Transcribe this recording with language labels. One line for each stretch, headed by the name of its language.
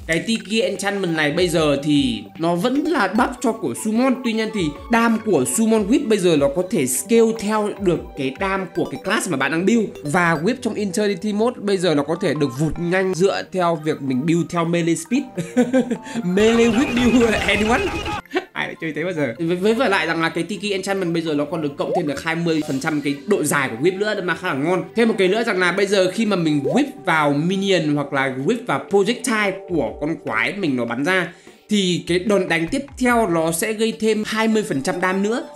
Vietnamese: Cái Tiki Enchantment này bây giờ thì nó vẫn là buff cho của Summon, tuy nhiên thì dam của Summon Whip bây giờ nó có thể scale theo được cái dam của cái class mà bạn đang build, và Whip trong Eternity Mode bây giờ nó có thể được vụt nhanh dựa theo việc mình build theo melee speed.
English: Melee Whip build anyone?
Vietnamese: Ai lại chơi thế bao giờ? Với vừa lại rằng là cái Tiki Enchantment bây giờ nó còn được cộng thêm được 20% cái độ dài của Whip nữa, mà khá là ngon. Thêm một cái nữa rằng là bây giờ khi mà mình Whip vào minion hoặc là Whip vào projectile của con quái mình nó bắn ra thì cái đòn đánh tiếp theo nó sẽ gây thêm 20% đam nữa.